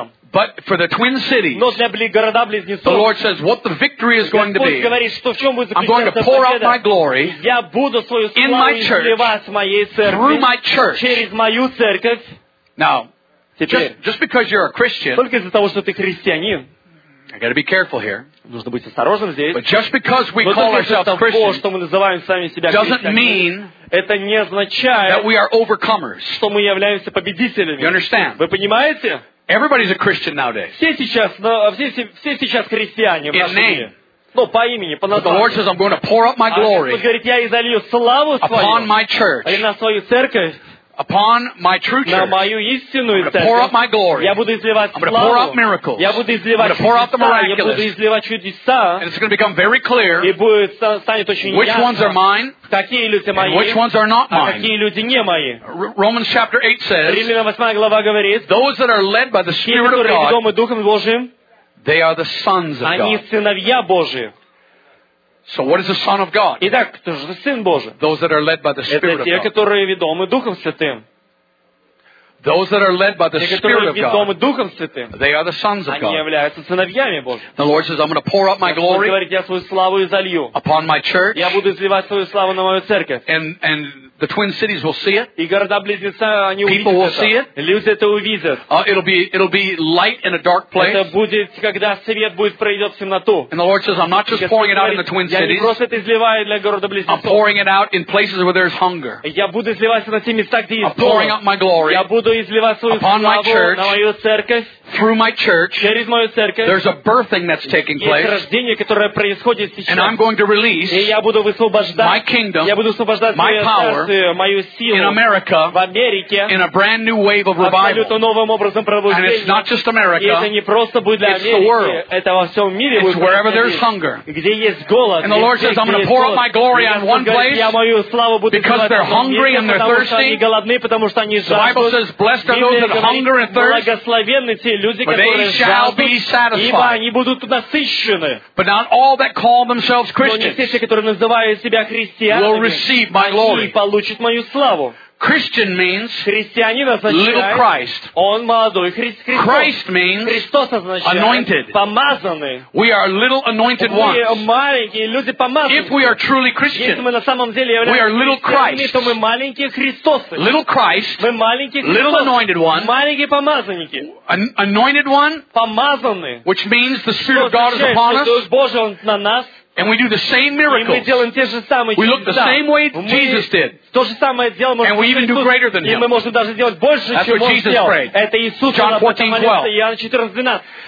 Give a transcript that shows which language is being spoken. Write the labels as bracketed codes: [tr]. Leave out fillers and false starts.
[en] But for the twin cities, the Lord says, what the victory is going to be, I'm going to pour out my glory in my church, through my church. Now, just because you're a Christian, [ru] только из-за того, что ты христианин, [en] I got to be careful here. [ru] Нужно быть осторожным здесь. [en] But just because we call ourselves Christians, [ru] что мы называем сами себя христианами, это не означает, [en] that we are overcomers. [ru] Что мы являемся победителями. [en] You understand? [ru] Вы понимаете? [en] Everybody's a Christian nowadays. [ru] Все сейчас, все сейчас христиане в нашем мире. Ну, по имени, по названию. [en] But the Lord says, I'm going to pour out my glory. [ru] А Господь говорит, я излью славу свою. [en] Upon my church. [ru] И на свою церковь. [en] Upon my true church, I'm going to pour out my glory. I'm going to pour out miracles. I'm going to pour out the miraculous. And it's going to become very clear which ones are mine and which ones are not mine. Romans chapter 8 says, those that are led by the Spirit of God, they are the sons of God. So what is the Son of God? [ru] Итак, кто же Сын Божий? [en] Those that are led by the Spirit of God. [ru] Это те, которые ведомы Духом Святым. [en] Those that are led by the Spirit of God. [ru] Ведомы Духом Святым. [en] They are the sons of God. [ru] Они являются сыновьями Божьими. [en] The Lord says, I'm going to pour out my glory. [ru] Говорит, я свою славу излью. [en] Upon my church. [ru] Я буду изливать свою славу на мою церковь. [en] And the twin cities will see it. [ru] И города-близнецы, они увидят это. [en] People will see it. [ru] Люди это увидят. [en] It'll be light in a dark place. [ru] Это будет, когда свет будет пройдет в темноту. [en] And the Lord says, I'm not just pouring it out in the twin cities. [ru] Я не просто это изливаю для города-близнецов. [en] I'm pouring it out in places where there's hunger. [ru] Я буду изливать на те места, где есть голод. [en] I'm pouring out my glory. [ru] Я буду изливать свою славу на мою церковь. [en] Through my church, [ru] через мою церковь, [en] there's a birthing that's taking place. [ru] Есть рождение, которое происходит сейчас. [en] And I'm going to release, [ru] и я буду высвобождать, [en] my kingdom, [ru] я буду высвобождать [en] my power, [ru] мою силу, [en] in America, [ru] в Америке, [en] in a brand new wave of revival. [ru] Абсолютно новым образом пробуждения. [en] And it's not just America, [ru] и это не просто будет для Америки, [en] it's the world. [ru] Это во всем мире. [en] It's wherever there's hunger. [ru] Где есть голод. [en] And the Lord says, I'm going to pour out my glory on one place, [ru] я мою славу буду [en] because they're hungry and they're thirsty. [ru] Они голодны, потому что они жаждут. [en] The Bible says, blessed are those that hunger and thirst. [ru] Благословенны те люди. люди, которые жаждут, ибо они будут насыщены. [en] But not all that call themselves Christians. [ru] Но не все, которые называют себя христианами, [en] will receive my glory. [ru] Получат мою славу. [en] Christian means [ru] христианин означает [en] little Christ. [ru] Он молодой Христос. [en] Christ means [ru] Христос означает [en] anointed. [ru] Помазанный. [en] We are little anointed ones. [ru] Мы маленькие люди помазанные. [en] If we are truly Christian, [ru] если мы на самом деле являемся христианами, то мы маленькие Христосы. [en] Little Christ, [ru] мы маленькие Христосы. [en] Little anointed one, [ru] маленькие помазанники. [en] Anointed one, [ru] помазанные. [en] Which means the Spirit of God is upon us. [ru] Дух Божий на нас. [en] And we do the same miracles. We look the same way Jesus did. And we even do greater than him. That's what Jesus prayed. John 14:12.